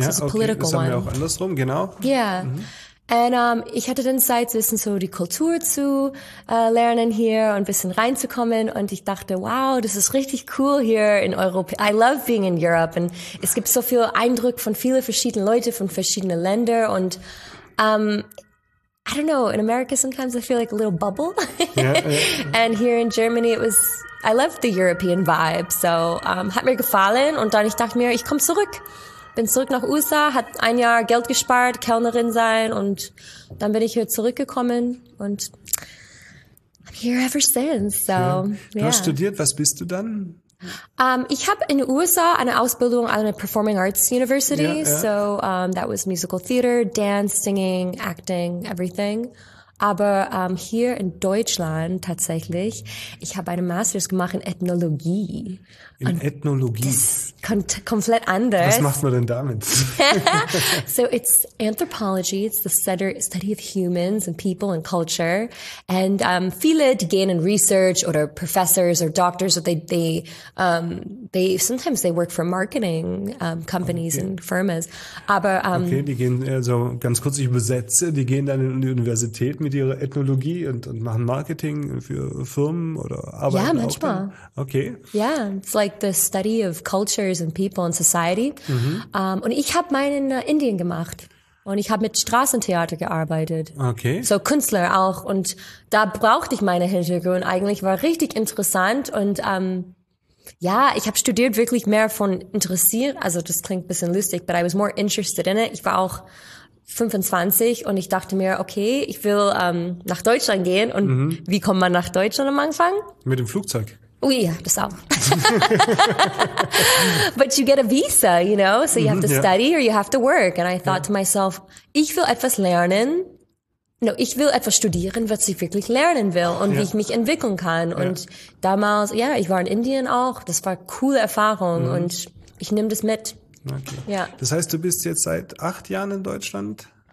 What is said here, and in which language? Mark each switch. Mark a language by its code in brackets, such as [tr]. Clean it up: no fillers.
[de] also Political One. Das haben wir auch andersrum, genau. Ja. Yeah. Und ich hatte dann Zeit, wissen so die Kultur zu lernen hier und ein bisschen reinzukommen. Und ich dachte, wow, das ist richtig cool hier in Europa. [en] I love being in Europe. [de] Und es gibt so viel Eindruck von vielen verschiedenen Leuten von verschiedenen Ländern. [en] Und I don't know, in America sometimes I feel like a little bubble. And here in Germany it was, I love the European vibe. [de] So hat mir gefallen. Und dann ich dachte mir, ich komme zurück. Bin zurück nach USA, hat ein Jahr Geld gespart, Kellnerin sein und dann bin ich hier zurückgekommen und [en] I'm here ever since. [de] So, du hast studiert, was bist du dann? Ich habe in den USA eine Ausbildung an einer Performing Arts University. Ja, ja. [en] So that was musical theater, dance, singing, acting, everything. [de] Aber hier in Deutschland tatsächlich, ich habe einen Master's gemacht in Ethnologie. In und Ethnologie? Das ist komplett anders. Was macht man denn damit? [en] So it's anthropology, it's the study of humans and people and culture. And [de] viele, die gehen [en] in research oder professors or doctors, or they sometimes they work for marketing companies okay. and firmas. Aber, [de] okay, die gehen, also ganz kurz, ich übersetze, die gehen dann in die Universität mit ihrer Ethnologie und machen Marketing für Firmen oder arbeiten. Ja, manchmal. Okay. [en] Yeah, it's like the study of cultures and people and society. Mhm. [de] Und ich habe meinen in Indien gemacht und ich habe mit Straßentheater gearbeitet. Okay. So Künstler auch. Und da brauchte ich meine Hintergrund. Eigentlich war richtig interessant und ja, ich habe studiert wirklich mehr von interessiert. Also das klingt ein bisschen lustig, [en] but I was more interested in it. [de] Ich war auch 25 und ich dachte mir, okay, ich will nach Deutschland gehen und mhm. wie kommt man nach Deutschland am Anfang? Mit dem Flugzeug. Oh ja, das auch. [en] But you get a visa, you know, so you have to study or you have to work. And I thought to myself, [de] ich will etwas lernen. No, ich will etwas studieren, was ich wirklich lernen will und wie ich mich entwickeln kann. Und damals, ja, ich war in Indien auch. Das war eine coole Erfahrung und ich nehme das mit. Okay. Ja. Das heißt, du bist jetzt seit 8 Jahren in Deutschland?